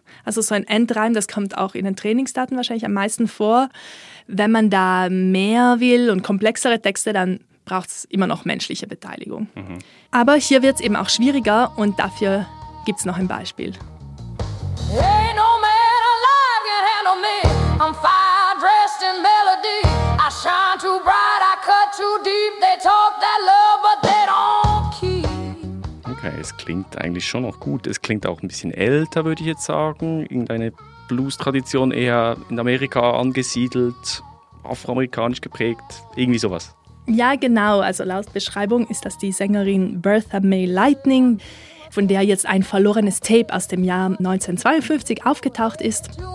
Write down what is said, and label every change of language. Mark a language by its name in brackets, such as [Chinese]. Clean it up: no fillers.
[German] Also so ein Endreim, das kommt auch in den Trainingsdaten wahrscheinlich am meisten vor. Wenn man da mehr will und komplexere Texte, dann braucht es immer noch menschliche Beteiligung. Mhm. Aber hier wird es eben auch schwieriger und dafür gibt es noch ein Beispiel. [English] Hey, no man alive can handle me. I'm fire dressed in melody. I shine too bright, I cut too deep. They talk that love, but they don't keep. [German] Okay, es klingt eigentlich schon noch gut. Es klingt auch ein bisschen älter, würde ich jetzt sagen. Irgendeine Blues-Tradition eher in Amerika angesiedelt, afroamerikanisch geprägt, irgendwie sowas. Ja, genau. Also laut Beschreibung ist das die Sängerin Bertha May Lightning, von der jetzt ein verlorenes Tape aus dem Jahr 1952 aufgetaucht ist.